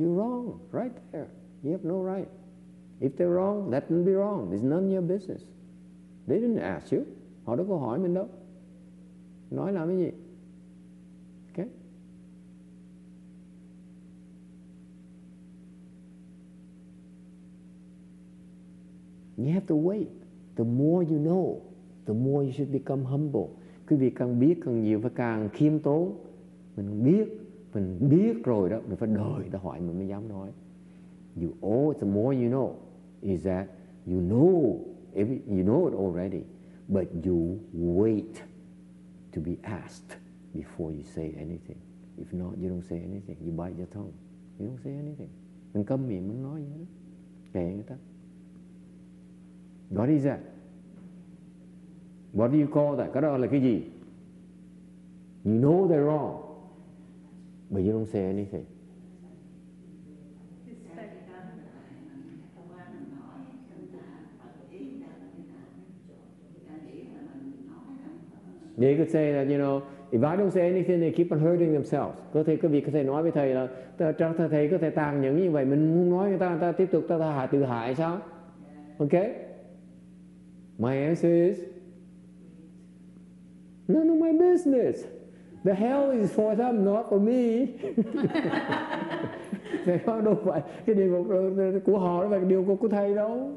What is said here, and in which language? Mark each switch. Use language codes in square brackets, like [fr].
[en] You're wrong, right there. You have no right. If they're wrong, let them be wrong. It's none of your business. They didn't ask you. [vi] Họ đâu có hỏi mình đâu. Nói làm cái gì? [en] Okay? You have to wait. The more you know, the more you should become humble. [vi] Quý vị càng biết càng nhiều và càng khiêm tốn. Mình biết rồi đó, mình phải đợi ta hỏi mình mới dám nói. [en] You all, the more you know, is that you know, you know it already, but you wait to be asked before you say anything. If not, you don't say anything. You bite your tongue. You don't say anything. [vi] Mình câm miệng, mình nói vậy đó. Kể người ta. [en] What is that? What do you call that? [vi] Cái đó là cái gì? [en] You know they're wrong. But you don't say anything. They could say that, you know, if I don't say anything, they keep on hurting themselves. [vi] Có thể quý vị có thể nói với thầy là thầy có thể tàn nhẫn như vậy, mình không nói người ta tiếp tục ta tự hại sao? [en] Okay? My answer is none of my business. The hell is for them, not for me. [vi] Thầy nói đâu phải cái điều của họ đó, phải điều của thầy đâu.